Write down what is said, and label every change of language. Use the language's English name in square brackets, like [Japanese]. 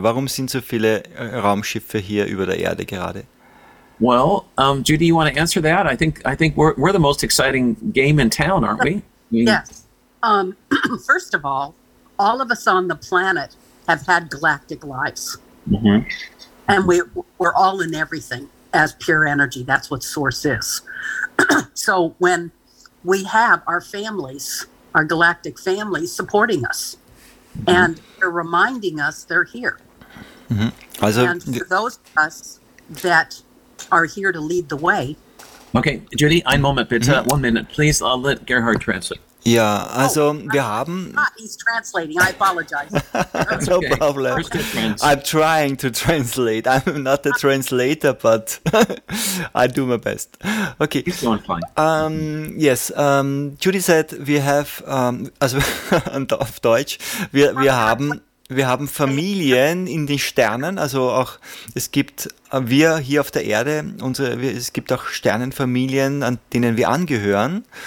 [German] Warum sind so viele Raumschiffe hier über der Erde gerade? [English] Well, Judy, you want to answer that? I think we're the most exciting game in town, aren't we? Yes. First of all of us on the planet have had galactic lives. Mm-hmm. And we're all in everything as pure energy. That's what Source is. So when we have our families, our galactic families, supporting us. Mm-hmm. And they're reminding us they're here. Mm-hmm. For those of us that are here to lead the way. Okay, Judy, [German] ein Moment bitte. [English] Mm-hmm. 1 minute, please. I'll let Gerhard translate. [German] Yeah, also wir haben... [English] He's translating, I apologize. No okay. problem. I'm trying to translate. I'm not a translator, but I do my best. Okay. He's going fine. Yes, Judy said we have, [German] auf Deutsch, wir haben Familien in den Sternen, also auch, es gibt wir hier auf der Erde, es gibt auch Sternenfamilien, an denen wir angehören.